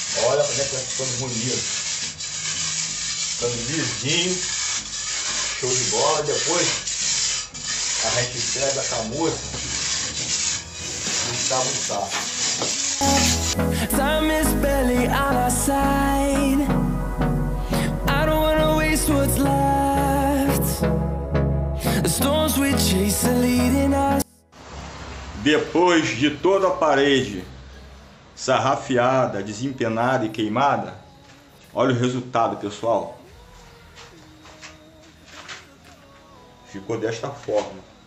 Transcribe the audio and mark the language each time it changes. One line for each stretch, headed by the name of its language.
Portuguese: Olha como é que vai ficando bonito. Ficando lisinho. Show de bola. Depois a gente pega essa moça e tá buscando.
English: Time is barely on our side. I don't wanna waste what's left. The storms we chase are leading us.
Portuguese: Depois de toda a parede sarrafiada, desempenada e queimada, olha o resultado, pessoal. Ficou desta forma.